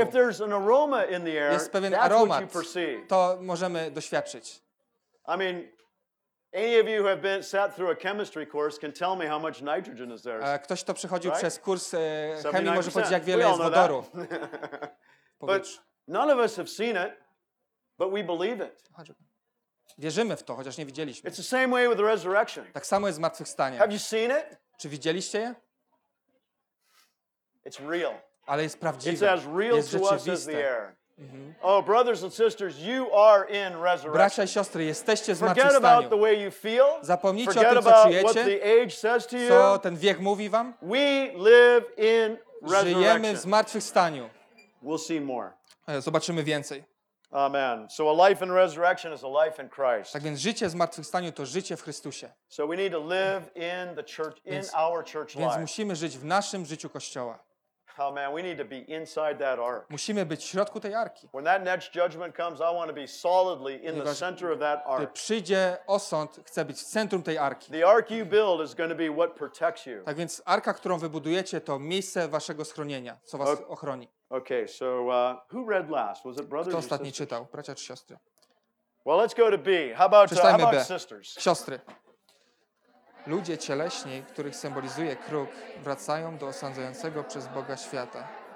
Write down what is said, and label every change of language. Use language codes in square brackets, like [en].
[en] If there's an aroma in the air, [pl] jest pewien [en] that's [pl] aromat, [en] what you perceive. [pl] To możemy doświadczyć. [en] I mean, any of you who have been sat through a chemistry course can tell me how much nitrogen is there. [pl] Ktoś, kto przechodził right? przez kurs chemii, może powiedzieć, jak wiele jest wodoru. [en] But none of us have seen it, but we believe it. [pl] Wierzymy w to, chociaż nie widzieliśmy. [en] It's the same way with the resurrection. [pl] Tak samo jest w zmartwychwstaniu. [en] Have you seen it? [pl] Czy widzieliście je? [en] It's real. [pl] Ale jest prawdziwe. [en] It's as real [pl] jest rzeczywiste. [en] To us as the air. Mm-hmm. Oh, brothers and sisters, you are in resurrection. [pl] Bracia i siostry, jesteście w zmartwychwstaniu. [en] Forget about the way you feel. [pl] Zapomnijcie [en] Forget [pl] o tym, co czujecie. [en] What the age says to you. [pl] Co ten wiek mówi wam? [en] We live in resurrection. [pl] Żyjemy w zmartwychwstaniu. [en] We'll see more. [pl] Zobaczymy więcej. [en] Amen. So a life in resurrection is a life in Christ. [pl] Tak więc życie w zmartwychwstaniu to życie w Chrystusie. [en] So we need to live in the church, in our church life. [pl] Więc musimy żyć w naszym życiu Kościoła. [en] Amen. We need to be inside that ark. [pl] Musimy być w środku tej arki. [en] When that next judgment comes, I want to be solidly in the center of that ark. [pl] Gdy przyjdzie osąd, chcę być w centrum tej arki. [en] The ark you build is going to be what protects you. [pl] Tak więc arka, którą wybudujecie, to miejsce waszego schronienia, co was ochroni. [en] Okay, so who read last? Was it brothers [pl] Kto ostatni [en] or sisters? [pl] Czytał? Bracia czy siostry? [en] Well, let's go to B. How about [pl] B. [en] Sisters? [pl] Siostry. Ludzie cieleśni, których symbolizuje kruk, wracają do osądzającego przez Boga świata.